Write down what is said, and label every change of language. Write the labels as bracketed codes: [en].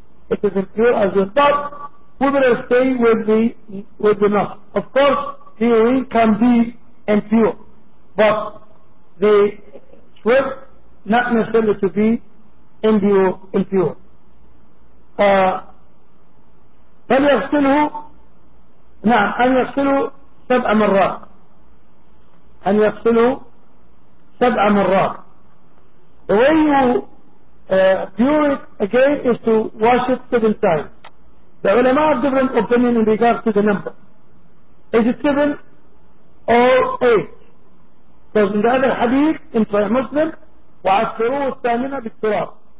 [en] It is impure as well. But we will stay with the nose. Of course, the urine can be impure, but the sweat not necessarily to be impure. [ar] هل يغسله؟ نعم، أن يغسله سبع مرات. أن يغسله 7 مرات. [en] The way you cure it again is to wash it 7 times. The ulama have different opinion in regards to the number. Is it 7 or 8? Because in the other hadith in Sahih Muslim, [ar] وعشروه الثامنة بالتراب.